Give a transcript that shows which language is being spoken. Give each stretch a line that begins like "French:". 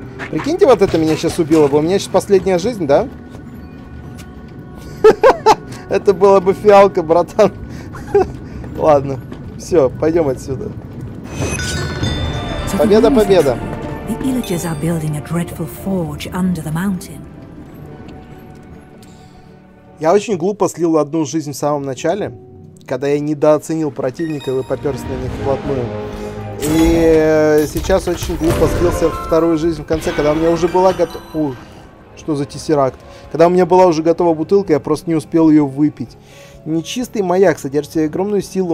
Russian: Прикиньте, вот это меня сейчас убило бы. У меня сейчас последняя жизнь, да? Это было бы фиалка, братан. Ладно, все, пойдем отсюда. Победа, победа.
English: The villagers are building a dreadful forge under the mountain.
Russian: Я очень глупо слил одну жизнь в самом начале, когда я недооценил противника и попёрся на них вплотную. И сейчас очень глупо слился вторую жизнь в конце, когда у меня уже была готова... Ух, что за тессеракт? Когда у меня была уже готова бутылка, я просто не успел ее выпить. Нечистый маяк содержит в себе огромную силу.